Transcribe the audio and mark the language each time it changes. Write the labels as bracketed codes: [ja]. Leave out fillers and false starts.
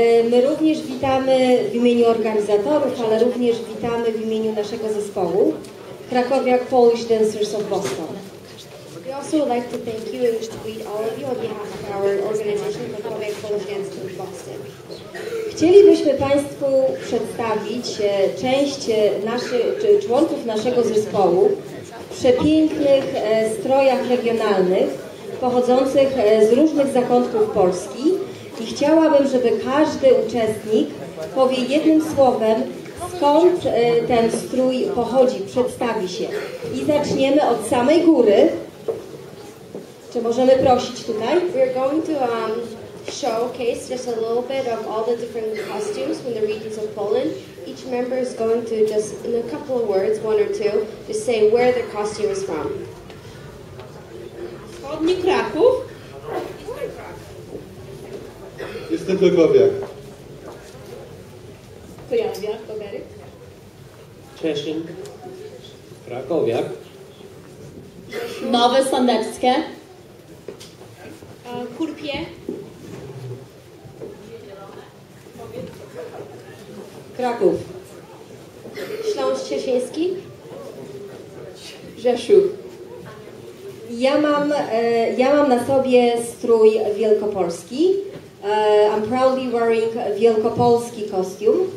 [pl] My również witamy w imieniu organizatorów, ale również witamy w imieniu naszego zespołu Cracovia Polish Dancers of Boston. [en] We also would like to thank you and wish to greet all of you on behalf of our organization Cracovia Polish Dancers of Boston. [pl] Chcielibyśmy Państwu przedstawić część członków naszego zespołu w przepięknych strojach regionalnych pochodzących z różnych zakątków Polski. I chciałabym, żeby każdy uczestnik powie jednym słowem, skąd ten strój pochodzi, przedstawi się. I zaczniemy od samej góry. Czy możemy prosić tutaj? [en] We're going to showcase just a little bit of all the different costumes from the regions of Poland. Each member is going to just, in a couple of words, one or two, just say where their costume is from. [pl] Wschodni Kraków. Jestem Krakowia. Kujawia, Koberyk. Czeszyn. Krakowia. Nowe Sądeckie. Kurpie. Kraków. Śląsk Cieszyński. Rzeszów. Ja mam na sobie strój wielkopolski. [en] I'm proudly wearing wielkopolski kostium.